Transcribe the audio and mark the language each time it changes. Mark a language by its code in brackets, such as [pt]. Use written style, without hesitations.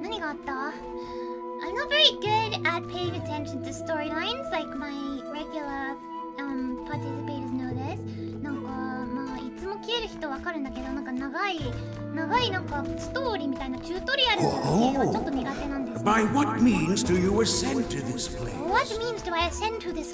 [en] I'm not very good at paying attention to storylines, like my regular participators know this. [ja] なんか、まあ、いつも消える人わかるんだけど、なんか長いなんかストーリーみたいなチュートリアルの系はちょっと苦手なんです、ね。 [en] By what means do you ascend to this place? What means do I ascend to this place?